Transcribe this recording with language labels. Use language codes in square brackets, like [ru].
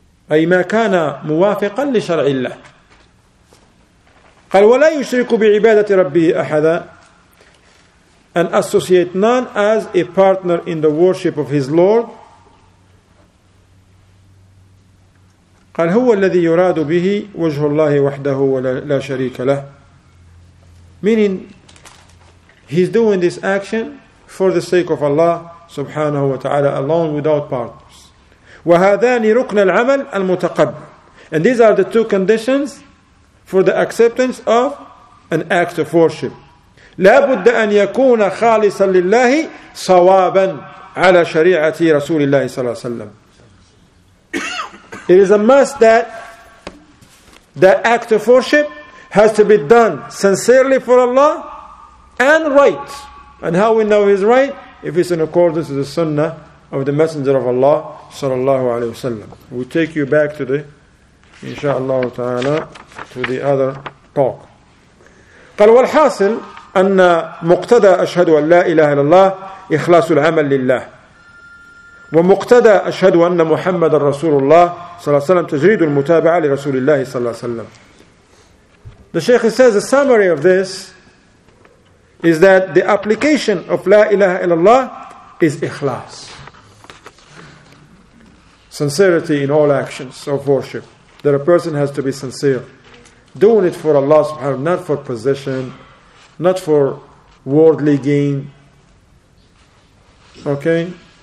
[ar] أي ما كان موافقا لشرع الله. قال ولا يشرك بعبادة ربه أحدا, [en] and associate none as a partner in the worship of his Lord. [ar] قال هو الذي يراد به وجه الله وحده ولا شريك له. [en] Meaning, he's doing this action for the sake of Allah subhanahu wa ta'ala alone without partners. [ar] وهذان ركن العمل المتقبل. [en] And these are the two conditions for the acceptance of an act of worship. [ar] لابد أن يكون خالصا لله صوابا على شريعة رسول الله صلى الله عليه وسلم. [en] It is a must that that act of worship has to be done sincerely for Allah and right. And how we know he's right? If it's in accordance with the sunnah of the Messenger of Allah sallallahu alayhi wa sallam. We'll take you back to the, insha'Allah ta'ala, to the other talk. [ar] قال والحاصل أن مقتدى أشهد أن لا إله إلا الله إخلاص العمل لله. ومقتدى أشهد أن محمد رسول الله صلى الله عليه وسلم تجريد المتابعة لرسول الله صلى الله عليه وسلم. [en] The Shaykh says the summary of this is that the application of La ilaha illallah is ikhlas. Sincerity in all actions of worship. That a person has to be sincere. Doing it for Allah subhanahu wa ta'ala, not for possession, not for worldly gain. Okay?